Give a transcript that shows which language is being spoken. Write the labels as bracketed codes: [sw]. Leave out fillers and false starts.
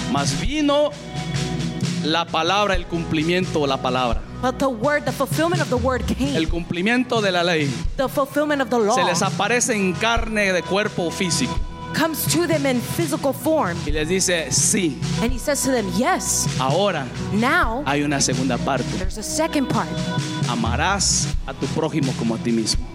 [es] Mas vino la palabra, el cumplimiento, la palabra. [en] But the word, the fulfillment of the word came. [es] El cumplimiento de la ley. [en] The fulfillment of the law. [es] Se les aparece en carne de cuerpo físico. [en] Comes to them in physical form. [es] Y les dice, sí. [en] And he says to them, yes. [es] Ahora. [en] Now. [es] Hay una segunda parte. [en] There's a second part. [es] Amarás a tu prójimo como a ti mismo.